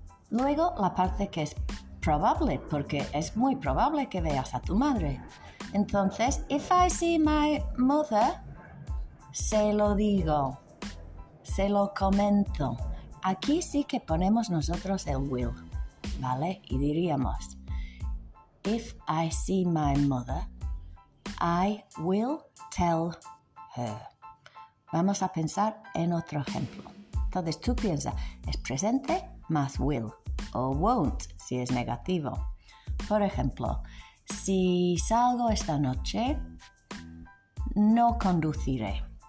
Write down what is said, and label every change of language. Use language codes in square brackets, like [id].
[es] Luego, la parte que es probable, porque es muy probable que veas a tu madre. Entonces, [en] if I see my mother, [es] se lo digo, se lo comento. Aquí sí que ponemos nosotros el will, ¿vale? Y diríamos, [en] if I see my mother, I will tell her. [es] Vamos a pensar en otro ejemplo. Entonces, tú piensa, es presente más will o won't, si es negativo. Por ejemplo, si salgo esta noche, no conduciré.